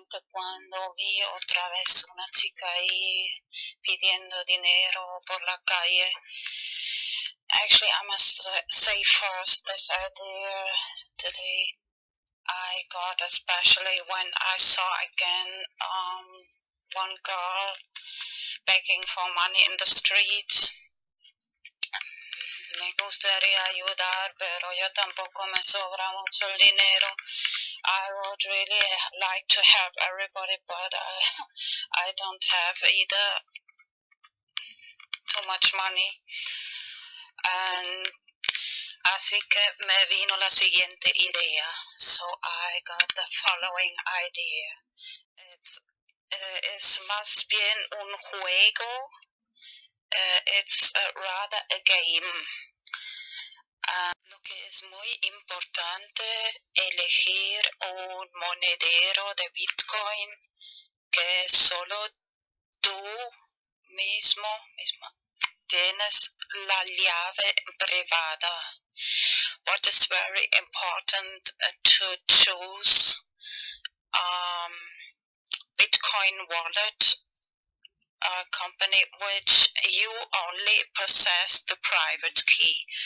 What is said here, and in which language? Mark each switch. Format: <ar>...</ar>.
<es>Cuando vi otra vez una chica ahí pidiendo dinero por la calle.</es> <en>Actually, I must say first this idea today I got, especially when I saw again one girl begging for money in the street.</en> <es>me gustaría ayudar, pero yo tampoco me sobra mucho el dinero.</es> <en>I would really like to help everybody, but I don't have either too much money.</en> <es>And así que me vino la siguiente idea.</es> <en>So I got the following idea. It's</en> <es>más bien un juego.</es> <en>It's rather a game.</en> <es>Lo que es muy importante, elegir un monedero de Bitcoin que solo tú mismo tienes la llave privada.</es> <en>What is very important to choose Bitcoin wallet, a company which you only possess the private key.</en>